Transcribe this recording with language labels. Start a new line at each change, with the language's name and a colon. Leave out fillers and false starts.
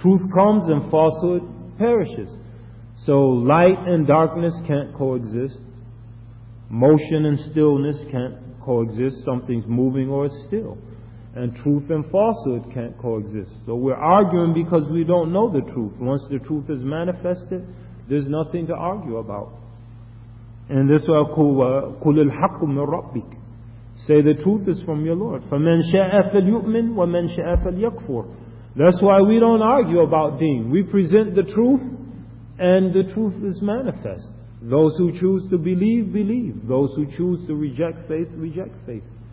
English: Truth comes and falsehood perishes. So light and darkness can't coexist. Motion and stillness can't coexist. Something's moving or still. And truth and falsehood can't coexist. So we're arguing because we don't know the truth. Once the truth is manifested, there's nothing to argue about. And this way,
Arabic: قُلِ الْحَقُّ مِنْ رَبِّكَ.
English: Say the truth is from your Lord.
Arabic: فَمَنْ شَاءَ فَلْيُؤْمِنْ وَمَنْ شَاءَ فَلْيَكْفُرُ.
English: That's why we don't argue about deen. We present the truth, and the truth is manifest. Those who choose to believe, believe. Those who choose to reject faith, reject faith.